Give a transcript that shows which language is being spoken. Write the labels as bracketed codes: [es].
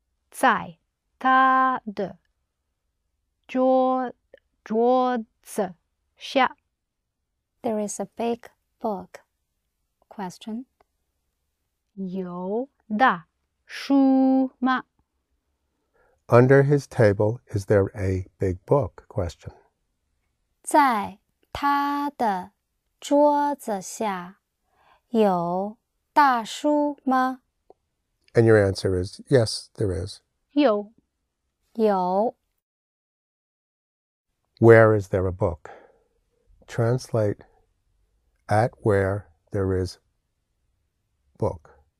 [zh] 在他的桌子下。 [en] There is a big book. Question. [zh] 有的书吗? [en] Under his table, is there a big book? Question. [zh] 在他的桌子下有大书吗? [en] And your answer is, yes, there is. [zh] 有。有。 [en] Where is there a book? Translate, at where there is book.